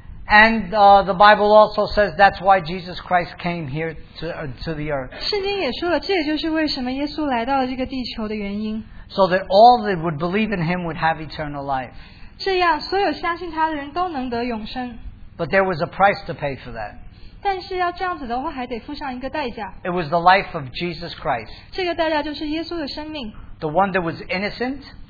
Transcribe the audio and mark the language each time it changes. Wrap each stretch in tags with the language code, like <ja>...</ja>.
<en>And the Bible also says that's why Jesus Christ came here to the earth.</en> <zh>圣经也说了, 这也就是为什么耶稣来到了这个地球的原因。</zh> <en>So that all that would believe in him would have eternal life.</en> <zh>这样,</zh> <en>but there was a price to pay for that.</en> <zh>但是要这样子的话,</zh> <en>it was the life of Jesus Christ. The one that was innocent.</en>